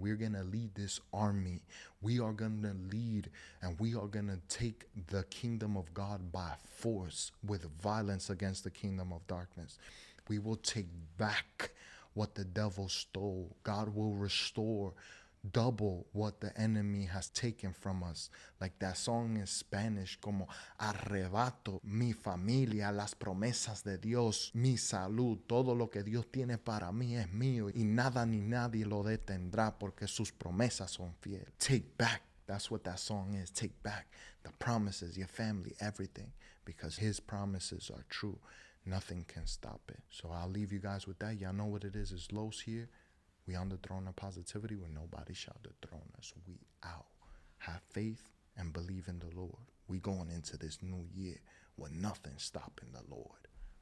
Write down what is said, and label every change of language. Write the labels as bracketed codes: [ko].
[en] We're going to lead this army. We are going to lead, and we are going to take the kingdom of God by force with violence against the kingdom of darkness. We will take back what the devil stole. God will restore double what the enemy has taken from us. Like that song in Spanish, [es] como arrebato mi familia, las promesas de Dios, mi salud, todo lo que Dios tiene para mí es mío, y nada ni nadie lo detendrá porque sus promesas son fiel. [en] Take back, that's what that song is. Take back the promises, your family, everything, because his promises are true. Nothing can stop it. So I'll leave you guys with that. Y'all know what it is. It's Los here. We on the throne of positivity where nobody shall dethrone us. We out. Have faith and believe in the Lord. We going into this new year with nothing stopping the Lord.